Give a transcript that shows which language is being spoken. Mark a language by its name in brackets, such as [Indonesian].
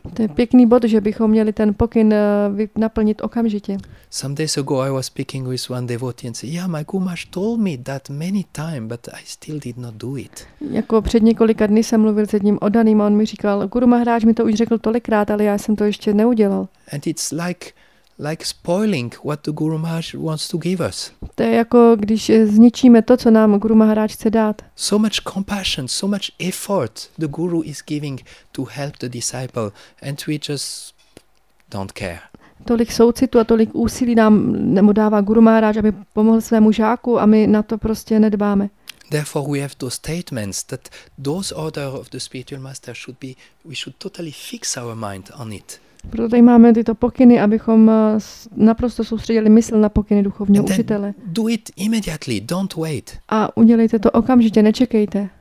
[Czech] To je pěkný bod, že bychom měli ten pokyn naplnit okamžitě. [English] Some days ago I was speaking with one devotee and said, yeah, my Gumash told me that many times, but I still did not do it. [Czech] Jako před několika dny jsem mluvil s jedním oddaným a on mi říkal, Guru Maharaj mi to už řekl tolikrát, ale já jsem to ještě neudělal. [English] And it's like spoiling what the Guru Maharaj wants to give us. [Czech] To je jako když zničíme to, co nám Guru Maharaj chce dát. [English] So much compassion, so much effort the guru is giving to help the disciple and we just don't care. [Czech] Tolik soucitu a tolik úsilí nám dává Guru Maharaj, aby pomohl svému žáku a my na to prostě nedbáme. [English] Therefore we have those statements that those order of the spiritual master should be, we should totally fix our mind on it. [Czech] Proto tady máme tyto pokyny, abychom naprosto soustředili mysl na pokyny duchovního učitele. [English] Do it immediately, don't wait. [Czech] A udělejte to okamžitě, nečekejte.